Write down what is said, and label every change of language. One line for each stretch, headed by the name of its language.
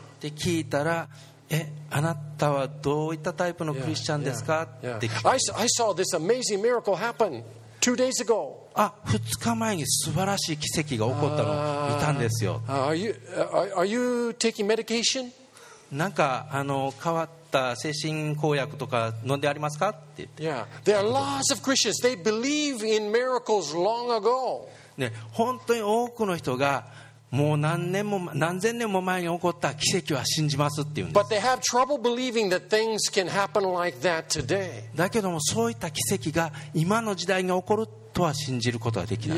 Japanese: って聞いたら、あなたはどういったタイプのクリスチャンですか。
English: yeah, yeah, yeah.
Japanese: って
English: I saw this amazing miracle happen two days ago.
Japanese: あ、2日前に素晴らしい奇跡が起こったのを見たんですよ。
English: Are you taking medication?
Japanese: なんか変わった精神膏薬とか飲んでありますかって言って。
English: Yeah. There are lots of Christians. They believe in miracles long ago.
Japanese: ね、本当に多くの人がもう何年も何千年も前に起こった奇跡は信じますって言うんです。
English: But they have trouble believing that things can happen like that today.
Japanese: だけどもそういった奇跡が今の時代に起こるとは信じることはできない。